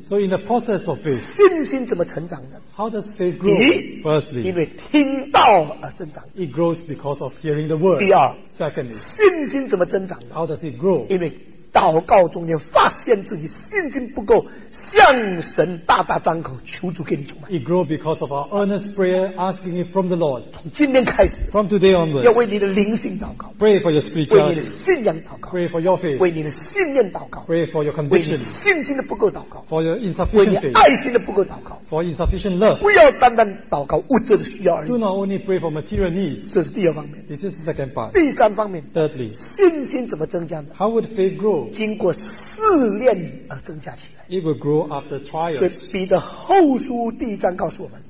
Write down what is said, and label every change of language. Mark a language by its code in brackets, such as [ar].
[en] so in the process of faith, [zh] 信心怎么成长呢? [en] How does faith grow? [zh] 第一, [en] firstly, [zh] 因为听道而增长, [en] it grows because of hearing the word. [zh] 第二, [en] secondly, [zh] 信心怎么增长呢? [en] How does it grow? [zh] 因为祷告中间发现自己信心不够, 向神大大张口, [en] it grows because of our earnest prayer, asking it from the Lord. [zh] 从今天开始, [en] from today onwards, [zh] 要为你的灵性祷告, [en] pray for your spiritual, [zh] 为你的信仰祷告, [en] pray for your faith, [zh] 为你的信念祷告, [en] pray for your conviction, [zh] 为你信心的不够祷告, [en] for your insufficient faith, [zh] 为你爱心的不够祷告, [en] for insufficient love. [zh] 不要单单祷告物质的需要而已, [en] do not only pray for material needs. [zh] 这是第二方面, [en] this is the second part. [zh] 第三方面, [en] thirdly, [zh] 信心怎么增加呢? [en] How would faith grow? [zh] 经过试炼而增加起来, [en] it will grow after trials. [zh] 所以彼得后书第一章告诉我们,